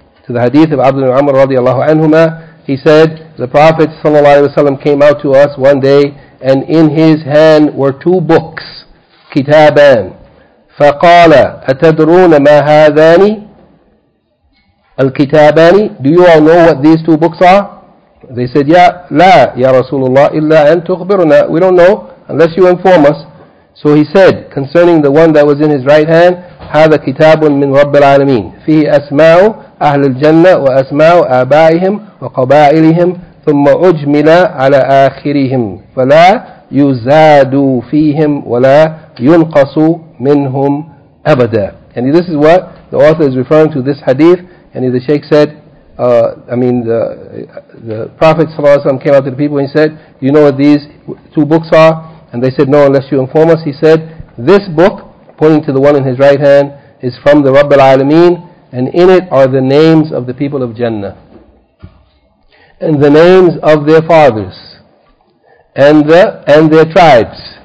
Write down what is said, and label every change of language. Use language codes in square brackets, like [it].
[en] To the hadith of Abdullah ibn Amr radiallahu anhuma, he said, the Prophet sallallahu alayhi wa sallam came out to us one day and in his hand were two books, kitaban. [ar] فَقَالَ أَتَدْرُونَ مَا هَذَانِ الْكِتَابَانِ. [en] Do you all know what these two books are? They said, [ar] Ya la, Ya Rasulullah, illa an tukhbiruna. [en] We don't know unless you inform us. So he said, concerning the one that was in his right hand, [ar] هذا كتاب من رب العالمين فيه أسماء أهل الجنة وأسماء آبائهم وقبائلهم ثم أجمل على آخرهم فلا يزاد فيهم ولا ينقص منهم أبدا. [en] And this is what the author is referring to, this hadith. And the Shaykh said, the Prophet ﷺ came out to the people and he said, you know what these two books are? And they said, no, unless you inform us. He said, this book, pointing to the one in his right hand, is from the Rabbil Alameen, and in it are the names of the people of Jannah, and the names of their fathers, and their tribes.